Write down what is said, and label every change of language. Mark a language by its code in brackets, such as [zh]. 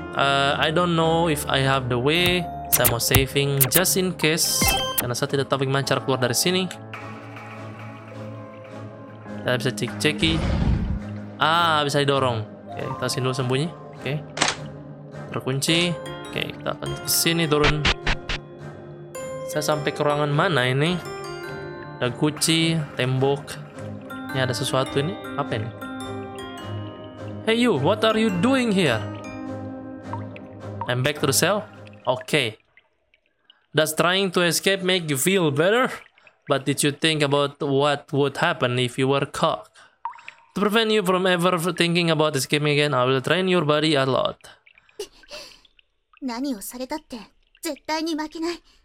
[en] I don't know if I have the way. [id] Saya mau saving [en] just in case. [id] Karena saya tidak tahu bagaimana cara keluar dari sini. Kita bisa cek-ceki. Ah, bisa didorong. Oke, okay, kita sini dulu sembunyi. Oke. Okay. Terkunci. Oke, okay, kita akan kesini turun. Saya sampai ke ruangan mana ini? Ada kunci, tembok. Ini ada sesuatu ini. Apa ini? [en] Hey you, what are you doing here? I'm back to the cell. Okay. Does trying to escape make you feel better? But did you think about what would happen if you were caught? To prevent you from ever thinking about escaping again, I will train your body a lot. [ja] 何をされたって絶対に負けない。